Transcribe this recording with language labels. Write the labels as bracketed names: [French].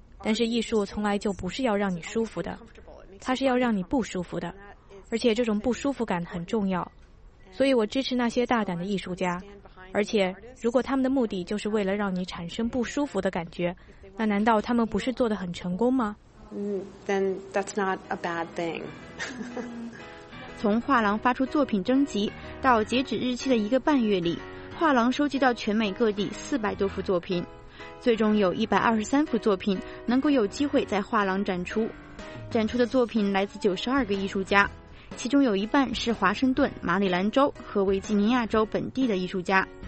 [Chinese] 但是艺术从来就不是要让你舒服的，它是要让你不舒服的，而且这种不舒服感很重要。所以我支持那些大胆的艺术家，而且如果他们的目的就是为了让你产生不舒服的感觉，那难道他们不是做得很成功吗？ [English] Then that's not a bad thing. [Chinese] 从画廊发出作品征集到截止日期的一个半月里，画廊收集到全美各地400多幅作品，最终有123幅作品能够有机会在画廊展出。展出的作品来自92个艺术家，其中有一半是华盛顿、马里兰州和维吉尼亚州本地的艺术家。